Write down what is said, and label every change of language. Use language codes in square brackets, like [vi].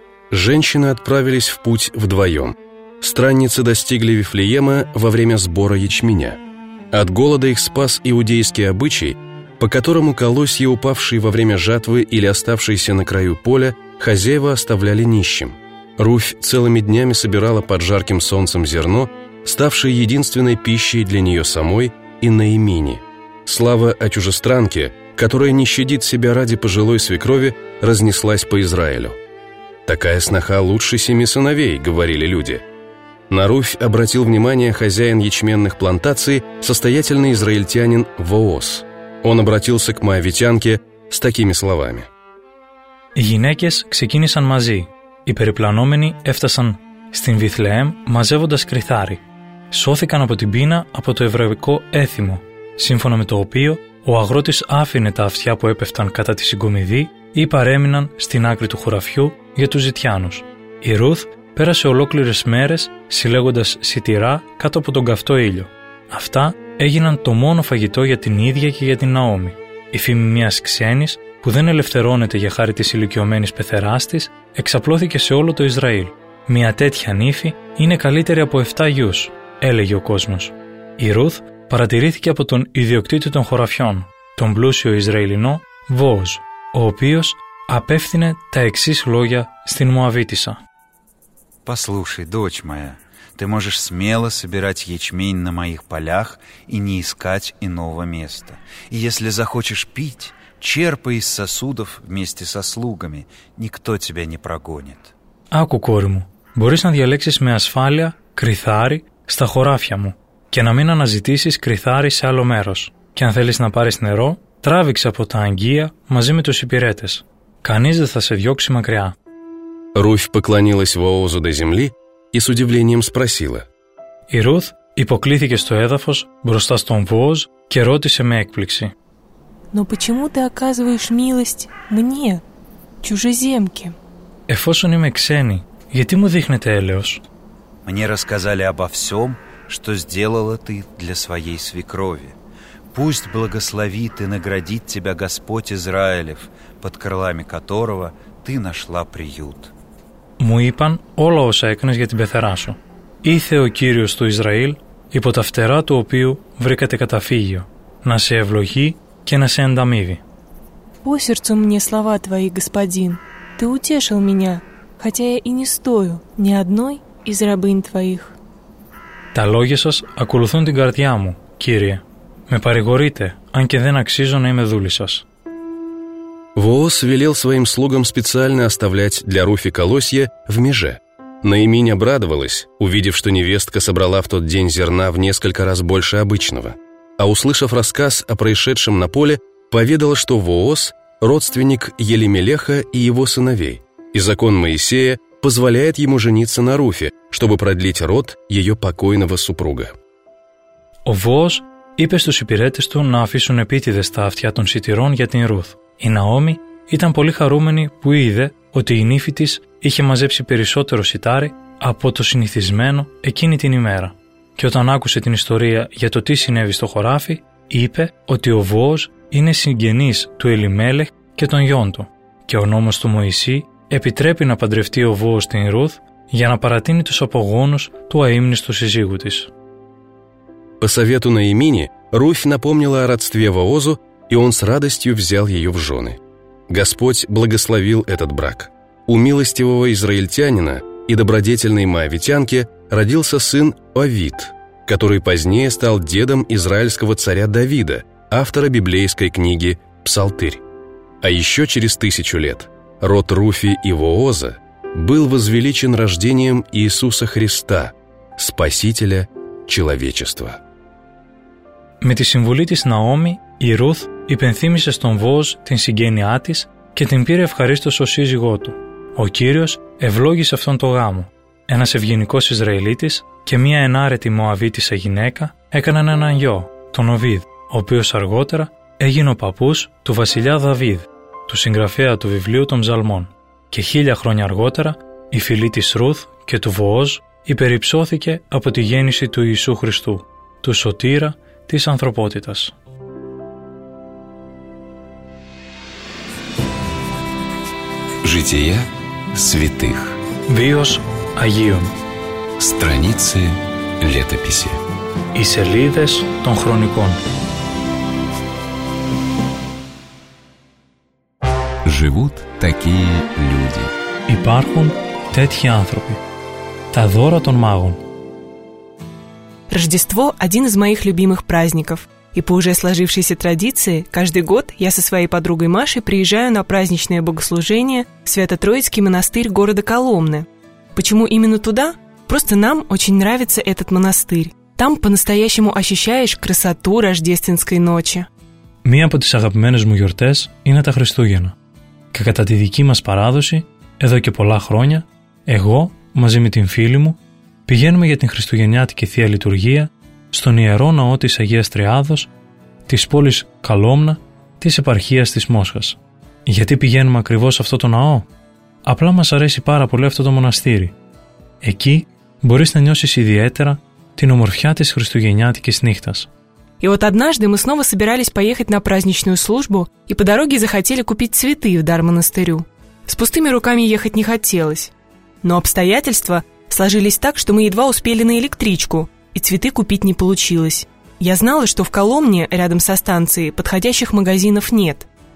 [ru] Женщины отправились в путь вдвоем. Странницы достигли Вифлеема во время сбора ячменя. От голода их спас иудейский обычай, по которому колосья, упавшие во время жатвы или оставшиеся на краю поля, хозяева оставляли нищим. Руфь целыми днями собирала под жарким солнцем зерно, ставшее единственной пищей для нее самой и Наимини. Слава о чужестранке, которая не щадит себя ради пожилой свекрови, разнеслась по Израилю. «Такая сноха лучше 7 сыновей», — говорили люди. На Руфь обратил внимание хозяин ячменных плантаций, состоятельный израильтянин Воос. Он обратился к моавитянке с такими словами. [el] «Οι γυναίκες ξεκίνησαν μαζί. Οι περιπλανόμενοι έφτασαν στην Βηθλεέμ μαζεύοντας κριθάρι. Σώθηκαν από την πείνα από το εβραϊκό έθιμο, σύμφωνα με το οποίο ο αγρότης άφηνε τα αυτιά που έπεφταν κατά τη συγκομιδή ή παρέμειναν στην άκρη του χωραφιού για τους ζητιάνους. Η Ρουθ πέρασε ολόκληρες μέρες συλλέγοντας σιτηρά κάτω από τον καυτό ήλιο. Αυτά έγιναν το μόνο φαγητό για την ίδια και για την Ναόμη. Η φήμη μιας ξένης που δεν ελευθερώνεται για χάρη της ηλικιωμένης πεθεράς της εξαπλώθηκε σε όλο το Ισραήλ. Μια τέτοια νύφη είναι καλύτερη από 7 γιους, έλεγε ο κόσμος. Η Ρουθ παρατηρήθηκε από τον ιδιοκτήτη των χωραφιών, τον πλούσιο Ισραηλινό Βόζ, ο οποίος απεύθυνε τα εξής λόγια στην Μωαβίτισσα. [ru] «Послушай, дочь моя, ты можешь смело собирать ячмень на моих полях и не искать иного места. И если захочешь пить, черпай из сосудов вместе со слугами, никто тебя не прогонит». [el] «Άκου, κόρη μου, μπορείς να διαλέξεις με ασφάλεια κριθάρι στα χωράφια μου και να μην αναζητήσεις κριθάρι σε άλλο μέρος. Και αν θέλεις να πάρεις νερό, τράβηξε από τα αγγεία μαζί με τους υπηρέτες. Κανείς δεν θα σε διώξει μακριά». [ru] Руфь поклонилась Воозу до земли и с удивлением спросила. [el] Η Ρουθ υποκλήθηκε στο έδαφος μπροστά στον Βόζ και ρώτησε με έκπληξη. [ru] «Но почему ты оказываешь милость мне, чужеземке?» [el] «Εφόσον είμαι ξένη, γιατί μου δείχνετε έλεος?» [ru] «Мне рассказали обо всем, что сделала ты для своей свекрови. Пусть благословит и наградит тебя Господь Израилев, под крылами которого ты нашла приют». [el] «Μου είπαν όλα όσα έκανες για την πεθερά σου. Ήθε ο Κύριος του Ισραήλ, υπό τα φτερά του οποίου βρήκατε καταφύγιο, να σε ευλογεί και να σε ανταμείβει». [ru] «По сердцу мне слова твои, господин. Ты утешил меня, хотя я и не стою ни одной из рабынь твоих». [el] «Τα λόγια σας ακολουθούν την καρδιά μου, Κύριε. Με παρηγορείτε, αν και δεν αξίζω να είμαι δούλης σας». [ru] Воос велел своим слугам специально оставлять для Руфи колосья в меже. Наиминь обрадовалась, увидев, что невестка собрала в тот день зерна в несколько раз больше обычного. А услышав рассказ о происшедшем на поле, поведала, что Воос – родственник Елимелеха и его сыновей. И закон Моисея позволяет ему жениться на Руфе, чтобы продлить род ее покойного супруга. [el] Ο Βοός είπε στους υπηρέτες του να αφήσουν επίτηδες στα αυτιά των σιτηρών για την Ρουθ. Η Ναόμη ήταν πολύ χαρούμενη που είδε ότι η νύφη της είχε μαζέψει περισσότερο σιτάρι από το συνηθισμένο εκείνη την ημέρα. Και όταν άκουσε την ιστορία για το τι συνέβη στο χωράφι, είπε ότι ο Βοός είναι συγγενής του Ελιμέλεχ και των γιών του. Και ο νόμος του Μωυσή επιτρέπει να παντρευτεί ο Βοός την Ρουθ για να παρατείνει τους απογόνους του αείμνηστου συζύγου της. [ru] По совету Наимини, Руфь напомнила о родстве Воозу, и он с радостью взял ее в жены. Господь благословил этот брак. У милостивого израильтянина и добродетельной моавитянки родился сын Овид, который позднее стал дедом израильского царя Давида, автора библейской книги «Псалтырь». А еще через 1000 лет род Руфи и Вооза был возвеличен рождением Иисуса Христа, Спасителя человечества. [el] Με τη συμβουλή της Ναόμη, η Ρουθ υπενθύμησε στον Βοός την συγγένειά της και την πήρε ευχαρίστως ως σύζυγό του. Ο Κύριος ευλόγησε αυτόν τον γάμο. Ένας ευγενικός Ισραηλίτης και μια ενάρετη Μωαβίτισσα γυναίκα έκαναν έναν γιο, τον Οβίδ, ο οποίος αργότερα έγινε ο παππούς του βασιλιά Δαβίδ, του συγγραφέα του βιβλίου των Ψαλμών. Και 1000 χρόνια αργότερα, η φυλή της Ρουθ και του Βοός υπερυψώθηκε από τη γέννηση του Ιησού Χριστού, του Σωτήρα της ανθρωπότητας. [ru] Жития святых. [el] Βίος Αγίων. [ru] Страницы летописи. [el] Οι σελίδες των χρονικών. [ru] Живут такие люди. [el] Υπάρχουν τέτοιοι άνθρωποι. Τα δώρα των μάγων. [ru] Рождество – один из моих любимых праздников. И по уже сложившейся традиции, каждый год я со своей подругой Машей приезжаю на праздничное богослужение в Свято-Троицкий монастырь города Коломны. Почему именно туда? Просто нам очень нравится этот монастырь. Там по-настоящему ощущаешь красоту рождественской ночи. [el] Мия по тис агапмэнэс му гёртэс инэ та Христугена. Ка ката ти дики мас парадоси, эдо ке полла хроня, эго, мази ми тин фили му, πηγαίνουμε για την Χριστουγεννιάτικη Θεία Λειτουργία στον Ιερό Ναό της Αγίας Τριάδος της πόλης Καλόμνα της επαρχίας της Μόσχας. Γιατί πηγαίνουμε ακριβώς σε αυτό το ναό? Απλά μας αρέσει πάρα πολύ αυτό το μοναστήρι. Εκεί μπορείς να νιώσεις ιδιαίτερα την ομορφιά της Χριστουγεννιάτικης νύχτας. [ru] И вот однажды мы снова собирались поехать на праздничную службу и по дороге захотели купить цветы в дар монастырю. С пустыми руками ехать не хотелось. Но обстоятельства сложились так, что мы едва успели на электричку, и цветы купить не получилось. Я знала, что в Коломне, рядом со станцией, подходящих магазинов нет.